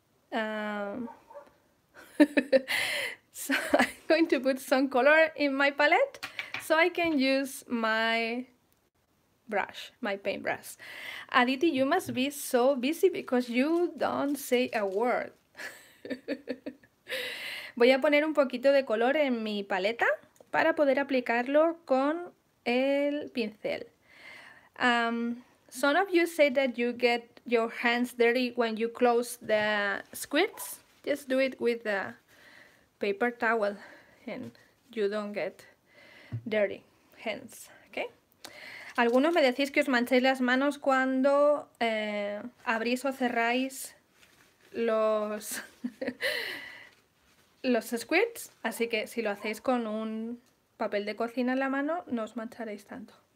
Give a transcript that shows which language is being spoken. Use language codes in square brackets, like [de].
[en] so I'm going to put some color in my palette so I can use my brush, my paintbrush. Aditi, you must be so busy because you don't say a word. [es] Voy a poner un poquito de color en mi paleta para poder aplicarlo con el pincel. [en] Some of you say that you get your hands dirty when you close the squirts. Just do it with a paper towel and you don't get dirty hands, okay? [es] Algunos me decís que os manchéis las manos cuando abrís o cerráis los... los squirts, así que si lo hacéis con un papel de cocina en la mano, no os mancharéis tanto.